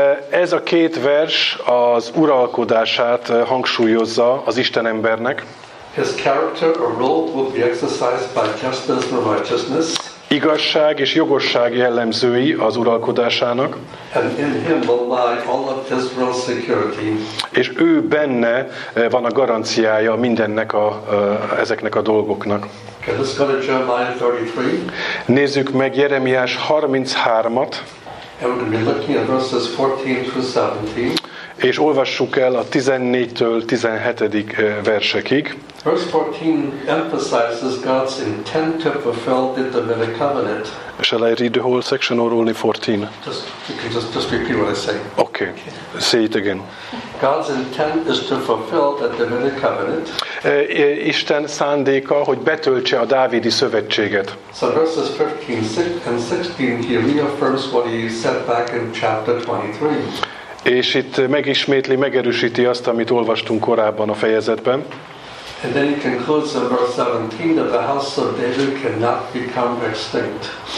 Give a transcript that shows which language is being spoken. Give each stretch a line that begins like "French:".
Hungarian: Ez a két vers az uralkodását hangsúlyozza az Isten embernek.
English: His character or role will be exercised by justice and righteousness.
Hungarian: Igazság és jogosság jellemzői az uralkodásának.
English: And in him will lie all of Israel's security.
Hungarian: És ő benne van a garanciája mindennek a, ezeknek a dolgoknak.
English: Okay, let's go to Jeremiah 33.
Hungarian: Nézzük meg Jeremiás 33-at.
English: And we're going to be looking at verses 14 through 17.
Hungarian: És olvassuk el a 14-től 17. versekig.
English: Verse 14 emphasizes God's intent to fulfill the Davidic covenant. Shall I read the whole section or only 14? Just repeat what I say. Okay, say it again. God's intent is to fulfill the Davidic covenant.
Hungarian: Isten szándéka, hogy betöltse a dávidi szövetséget.
English: So verses 15 and 16, he reaffirms what he said back in chapter 23.
Hungarian: És itt megismétli, megerősíti azt, amit olvastunk korábban a fejezetben.
English: And then he concludes in verse 17 that the house of David cannot become extinct.